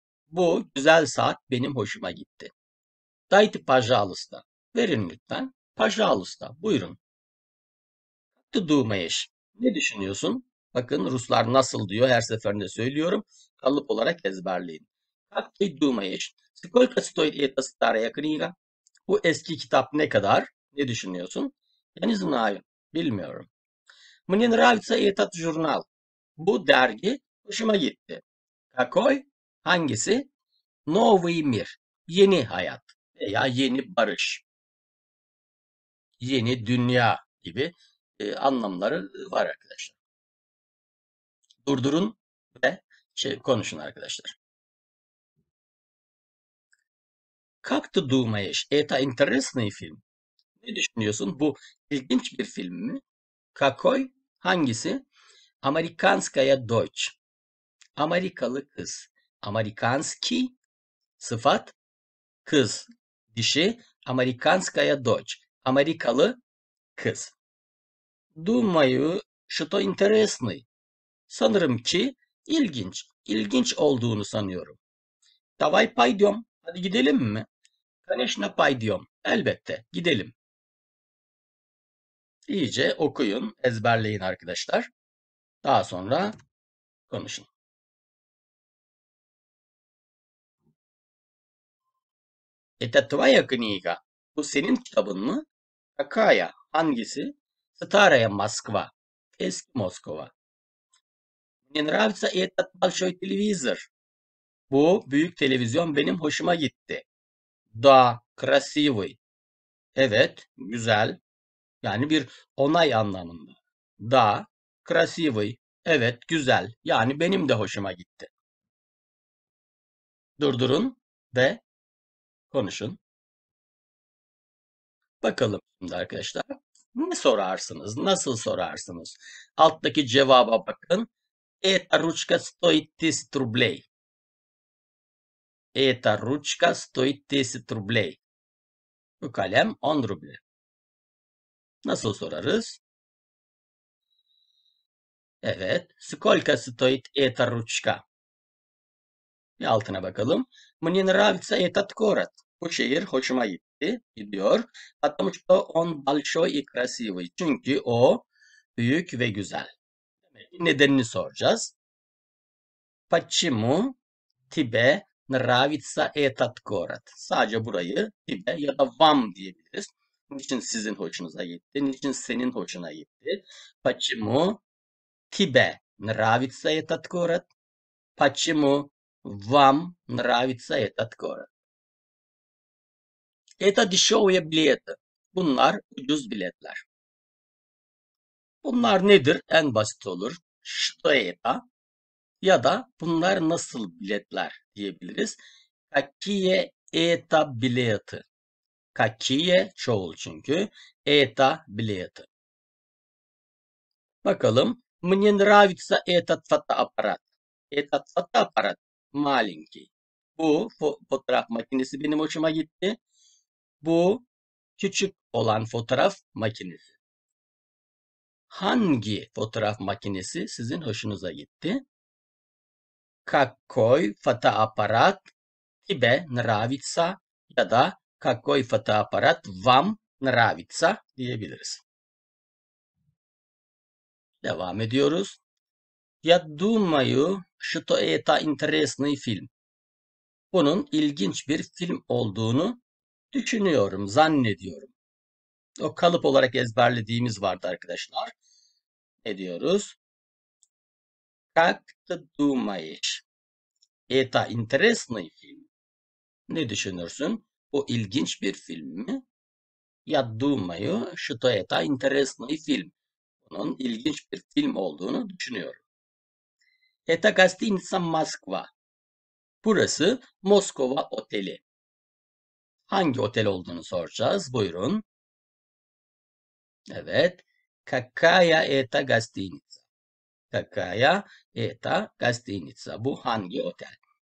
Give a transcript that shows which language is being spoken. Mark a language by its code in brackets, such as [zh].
[tr] Bu güzel saat benim hoşuma gitti. [ru] Дайте, пожалуйста. [tr] Verin lütfen. [ru] Пожалуйста. [tr] Буйрун. [ru] Ты думаешь? [tr] Ne düşünüyorsun? Bakın Ruslar nasıl diyor her seferinde söylüyorum. Kalıp olarak ezberleyin. [ru] Как ты думаешь? Сколько стоит эта старая книга? [tr] Bu eski kitap ne kadar? Ne düşünüyorsun? [ru] Я не знаю. [tr] Bilmiyorum. [ru] Мне нравится этот журнал. [tr] Bu dergi hoşuma gitti. [ru] Какой? [tr] Hangisi? [ru] Новый мир. [tr] Yeni hayat veya yeni barış. Yeni dünya gibi anlamları var arkadaşlar. Durdurun ve konuşun arkadaşlar. [ru] Как ты думаешь, это интересный фильм? [tr] Ne düşünüyorsun? Bu ilginç bir film mi? [ru] Какой? [tr] Hangisi? [ru] Американская дочь. [tr] Amerikalı kız. Amerikanski sıfat kız. Dişi. [ru] Amerikanskaya дочь. [tr] Amerikalı kız. [ru] Думаю, что интересный. [tr] Sanırım ki ilginç. İlginç olduğunu sanıyorum. Давай пойдем. Hadi gidelim mi? Конечно, пойдем. Elbette, gidelim. İyice okuyun, ezberleyin arkadaşlar. Daha sonra konuşun. [ru] Это твоя книга. [tr] Bu senin kitabın mı? [ru] Какая? [tr] Hangisi? [ru] Старая Москва. [tr] Eski Moskova. [ru] Мне нравится этот большой телевизор. [tr] Bu büyük televizyon benim hoşuma gitti. [ru] Да, красивый. [tr] Evet, güzel. Yani bir onay anlamında. [ru] Да, красивый. [tr] Evet, güzel. Yani benim de hoşuma gitti. Durdurun ve konuşun. Bakalım şimdi arkadaşlar. Ne sorarsınız? Nasıl sorarsınız? Alttaki cevaba bakın. [ru] Эта ручка стоит 10 рублей. Эта ручка стоит 10 рублей. [tr] Bu kalem 10 ruble. Nasıl sorarız? Evet. [ru] Сколько стоит эта ручка? [tr] Bir altına bakalım. [ru] Мне нравится этот город. [tr] Bu şehir hoşuma gitti, gidiyor. [ru] Потому что он большой и красивый. [tr] Çünkü o büyük ve güzel. Nedenini soracağız. [ru] Почему тебе нравится этот город? [tr] Sadece burayı [ru] тебе [tr] ya da [ru] вам [tr] diyebiliriz. Niçin sizin hoşunuza gitti? Niçin senin hoşuna gitti? [ru] Почему тебе нравится этот город? Почему вам нравится этот город? Это дешевые билеты. [tr] Bunlar ucuz biletler. Bunlar nedir? En basit olur. [ru] Что это? [tr] Ya da bunlar nasıl biletler diyebiliriz. [ru] Какие это билеты? Какие [tr] çoğul çünkü. [ru] Это билеты. [tr] Bakalım. [ru] Мне нравится этот фотоаппарат. Этот фотоаппарат маленький. [tr] Bu fotoğraf makinesi benim hoşuma gitti. Bu küçük olan fotoğraf makinesi. Hangi fotoğraf makinesi sizin hoşunuza gitti? [ru] Какой фотоаппарат тебе нравится [tr] ya da [ru] какой фотоаппарат вам нравится [tr] diyebiliriz. Devam ediyoruz. [ru] Я думаю, что это интересный фильм. [tr] Bunun ilginç bir film olduğunu düşünüyorum, zannediyorum. O kalıp olarak ezberlediğimiz vardı arkadaşlar. Ne diyoruz? [ru] Как ты думаешь? Это интересный фильм. [tr] Ne düşünürsün? Bu ilginç bir film mi? [ru] Я думаю, что это интересный фильм. [tr] Bunun ilginç bir film olduğunu düşünüyorum. [ru] Это гостиница Москва. [tr] Burası Moskova Oteli. Hangi otel olduğunu soracağız. Buyurun. Evet. [ru] Kakaya eta gastinica. Kakaya eta gastinica. [tr] Bu hangi otel?